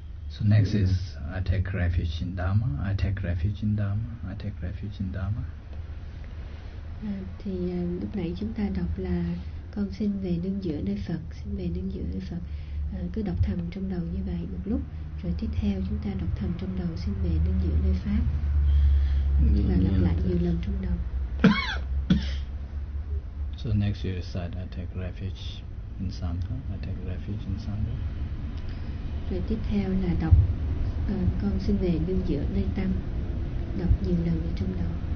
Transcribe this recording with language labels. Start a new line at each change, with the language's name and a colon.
English: So next is I take refuge in Dharma. I take refuge in Dharma. I take refuge in Dharma.
Vietnamese: Thì lúc nãy chúng ta đọc là con xin về nương dựa nơi Phật, xin về nương dựa nơi Phật. Cứ đọc thầm trong đầu như vậy một lúc, rồi tiếp theo chúng ta đọc thầm trong đầu xin về nương dựa nơi pháp. Và lặp lại nhiều lần trong đầu.
English: So next you said I take refuge in Sangha. I take refuge in Sangha.
Vietnamese: Rồi tiếp theo là đọc con xin về nương dựa nơi tâm, đọc nhiều lần ở trong đầu.